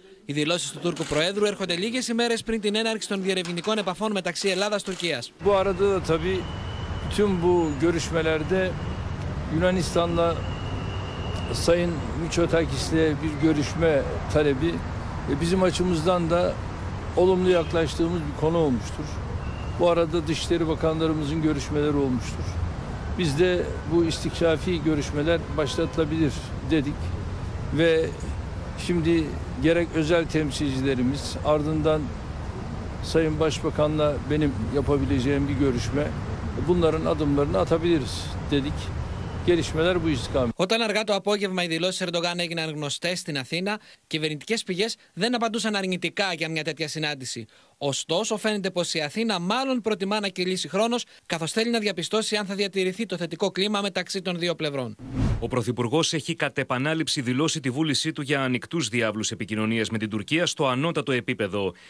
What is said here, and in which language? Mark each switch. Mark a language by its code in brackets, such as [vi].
[el] Οι δηλώσεις του Τούρκου Προέδρου έρχονται λίγες ημέρες πριν την έναρξη των διερευνητικών επαφών μεταξύ Ελλάδας-Τουρκίας. [tr] Biz de bu istikrafi görüşmeler başlatılabilir dedik ve şimdi gerek özel temsilcilerimiz ardından Sayın Başbakan'la benim yapabileceğim bir görüşme bunların adımlarını atabiliriz dedik. Gelişmeler bu istikamette. [el] Όταν αργά το απόγευμα οι δηλώσεις Ερντογάν έγιναν γνωστές στην Αθήνα, κυβερνητικές πηγές δεν απαντούσαν αρνητικά για μια τέτοια συνάντηση. Ωστόσο, φαίνεται πως η Αθήνα μάλλον προτιμά να κυλήσει χρόνος, καθώς θέλει να διαπιστώσει αν θα διατηρηθεί το θετικό κλίμα μεταξύ των δύο πλευρών. Ο Πρωθυπουργός έχει κατ' επανάληψη δηλώσει τη βούλησή του για ανοιχτούς διάβλους επικοινωνίες με την Τουρκία στο ανώτατο επίπεδο.